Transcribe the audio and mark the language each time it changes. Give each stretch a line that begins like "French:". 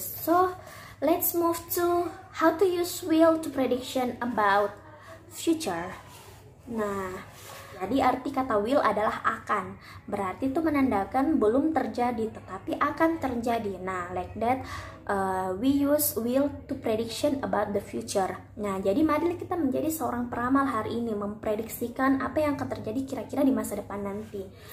English: So let's move to how to use will to prediction about future.
Indonesian: Nah, jadi arti kata will adalah akan. Berarti itu menandakan belum terjadi, tetapi akan terjadi.
English: Nah, like that, we use will to prediction about the future.
Indonesian: Nah, jadi mari kita menjadi seorang peramal hari ini, memprediksikan apa yang akan terjadi kira-kira di masa depan nanti.